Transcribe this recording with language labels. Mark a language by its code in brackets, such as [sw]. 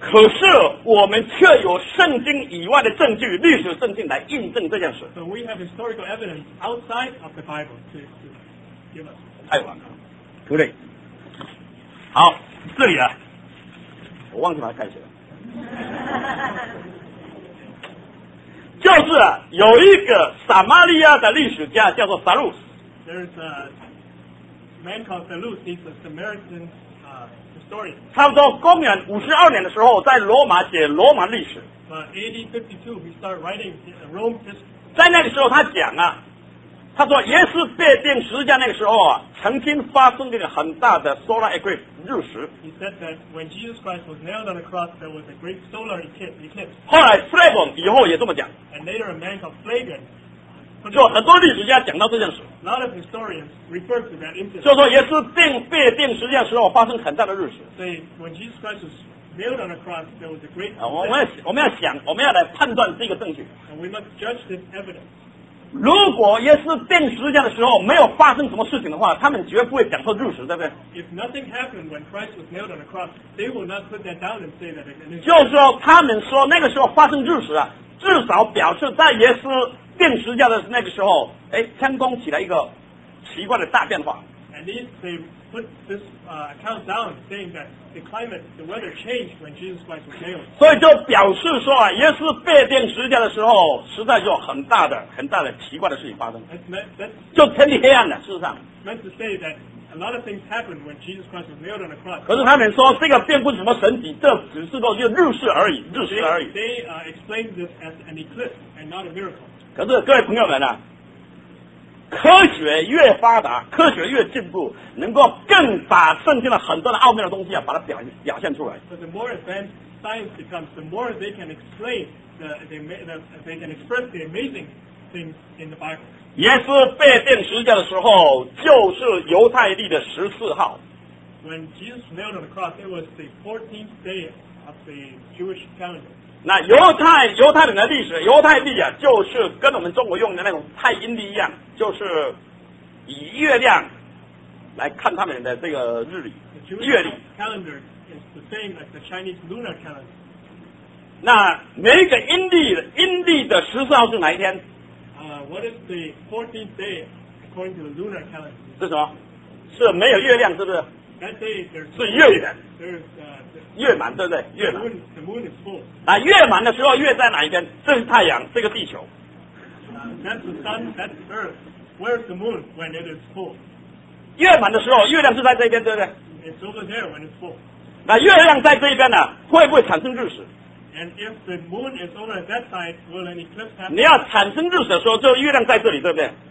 [zh] 可是我们却有圣经以外的证据，历史圣经来印证这件事。 [en] So we have historical evidence outside of the Bible to give us. [zh] 太晚了，对不对？好，这里啊，我忘记把它盖起来。就是、啊、有一个撒玛利亚的历史家叫做撒鲁斯。 There's a man called Saluz. He's a Samaritan historian. 差不多公元52年的时候，在罗马写罗马历史。 AD 52, he started writing Rome history. 在那个时候，他讲啊，他说耶稣被钉十字架那个时候啊，曾经发生了一个很大的 solar eclipse。日食。 [en] He said that when Jesus Christ was nailed on the cross, there was a great solar eclipse. [zh] 后来 Flavian 以后也这么讲。 [en] And later a man called Flavian. [zh] 就很多历史家讲到这件事。 [en] A lot of historians refer to that incident. [zh] 就说耶稣被钉十字架时候发生很大的日食。 [en] So when Jesus Christ was nailed on the cross, there was a great. [zh] 我们要来判断这个证据。 [en] And we must judge this evidence. [zh] 如果耶稣钉十字架的时候没有发生什么事情的话，他们绝不会讲说入死，对不对？ [en] If nothing happened when Christ was nailed on the cross, they will not put that down and say that it is. [zh] 就是说，他们说那个时候发生入死啊，至少表示在耶稣钉十字架的那个时候，哎，天空起了一个奇怪的大变化。 [en] At least they put this account down, saying that the climate, the weather changed when Jesus Christ was nailed. [zh] 所以就表示说啊，耶稣被钉十字架的时候，实在就很大的、很大的奇怪的事情发生。 [en] That's [zh] 就天地黑暗了，事实上。 [en] Meant to say that a lot of things happened when Jesus Christ was nailed on the cross. [zh] 可是他们说这个并不是什么神迹，这只是说就日食而已，日食而已。 [en] They explained this as an eclipse and not a miracle. [zh] 可是各位朋友们啊。科学越发达，科学越进步，能够更把圣经的很多的奥妙的东西啊，把它表现出来。 [en] But the more advanced science becomes, the more they can explain, they can express the amazing things in the Bible. [zh] 耶稣被钉十字架的时候，就是犹太历的十四号。 [en] When Jesus nailed on the cross, it was the 14th day of the Jewish calendar. [zh] 那犹太人的历史，犹太历啊，就是跟我们中国用的那种太阴历一样，就是以月亮来看他们的这个日历。月历 [en] calendar is the same as the Chinese lunar calendar. [zh] 那每一个阴历的十四号是哪一天？ [en] What is the 14th day according to the lunar calendar? [zh] 是什么？是没有月亮，是不是？ [en] That day there's [zh] 是月圆。 [en] There's [zh] 月满，对不对？月满。 [en] The moon is full. [zh] 那月满的时候，月在哪一边？这是太阳，这个地球。 [en] That's the sun. That's Earth. Where's the moon when it is full? [zh] 月满的时候，月亮是在这边，对不对？ [en] It's over there when it's full. [zh] 那月亮在这边呢，会不会产生日食？ [en] And if the moon is over at that side, will an eclipse happen? [zh] 你要产生日食的时候，就月亮在这里，对不对？